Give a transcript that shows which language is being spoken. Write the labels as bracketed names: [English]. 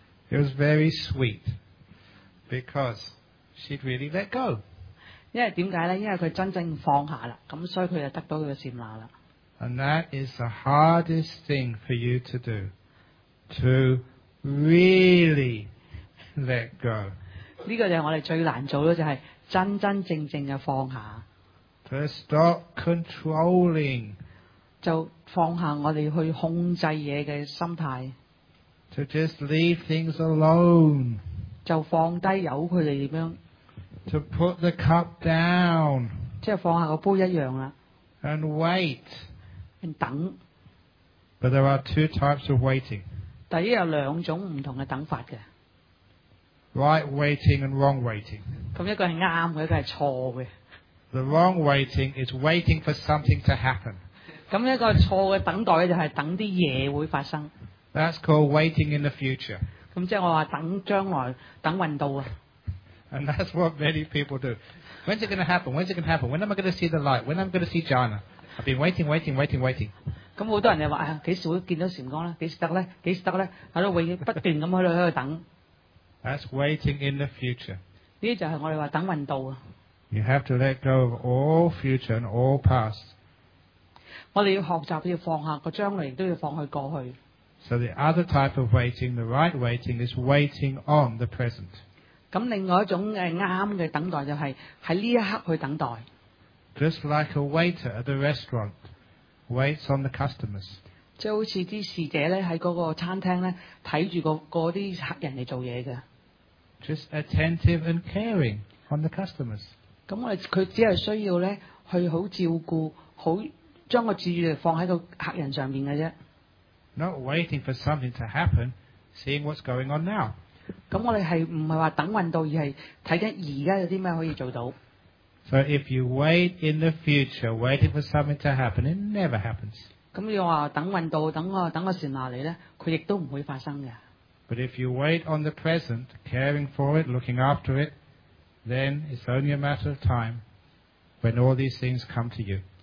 [English] It was very sweet because she'd really let go. [Cantonese] 因為點解咧？因為佢真正放下啦，咁所以佢就得到佢個禪那啦。 [English] And that is the hardest thing for you to do, to. Really let go. [Cantonese] 呢个就系我哋最难做咯，就系真真正正嘅放下。 [English] To stop controlling. [Cantonese] 就放下我哋去控制嘢嘅心态。 [English] To just leave things alone. [Cantonese] 就放低由佢哋点样。 [English] To put the cup down. [Cantonese] 即系放下个杯一样啦。 [English] And wait. [Cantonese] 等。 [English] But there are two types of waiting. [Cantonese] 第一有兩種唔同嘅等法嘅 [English] ，right waiting and wrong waiting。 [Cantonese] 咁一個係啱嘅，一個係錯嘅。 [English] The wrong waiting is waiting for something to happen。 [Cantonese] 咁一個錯嘅等待就係等啲嘢會發生。 [English] That's called waiting in the future。 [Cantonese] 咁即係我話等將來，等運到啊。 [English] And that's what many people do. When's it going to happen? When's it going to happen? When am I going to see the light? When am I going to see jhana? I've been waiting, waiting, waiting, waiting. [Cantonese] 咁好多人就話：幾時會見到禪光咧？幾時得咧？幾時得咧？喺度永遠不斷咁喺度等。 [English] That's waiting in the future。 [Cantonese] 呢就係我哋話等運道啊。 [English] You have to let go of all future and all past。 [Cantonese] 我哋要學習要放下個將來，亦都要放去過去。 [English] So the other type of waiting, the right waiting, is waiting on the present。 [Cantonese] 咁另外一種啱嘅等待就係喺呢一刻去等待。 [English] Just like a waiter at the restaurant。 Waits on the customers. [Cantonese] 即好似啲侍者咧，喺嗰個餐廳咧，睇住個啲客人嚟做嘢嘅。 [English] Just attentive and caring on the customers. [Cantonese] 咁我哋佢只係需要咧，去好照顧，好將個注意力放喺個客人上邊嘅啫。 [English] Not waiting for something to happen, seeing what's going on now. [Cantonese] 咁我哋係唔係話等運到，而係睇緊而家有啲咩可以做到。 [English] So if you wait in the future, waiting for something to happen, it never happens. [Cantonese] 咁你話等運道，等個善拿嚟咧，佢亦都唔會發生嘅。 [English] But if you wait on the present, caring for it, looking after it, then it's only a matter of time when all these things come to you.